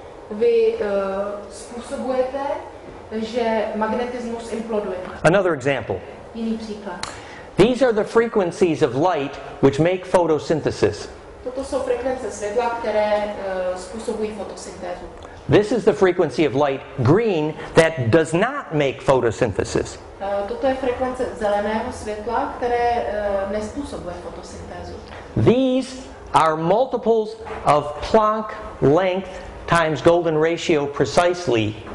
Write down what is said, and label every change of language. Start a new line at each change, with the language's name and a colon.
Czech: Vy způsobujete, že magnetismus imploduje.
English: Another example.
Czech: Jiný příklad.
English: These are the frequencies of light which make photosynthesis.
Czech: Toto jsou frekvence světla, které způsobují fotosyntézu.
English: This is the frequency of light, green, that does not make photosynthesis.
Czech: Toto je frekvence zeleného světla, které nespůsobuje fotosyntézu.
English: These are multiples of Planck length times golden ratio precisely.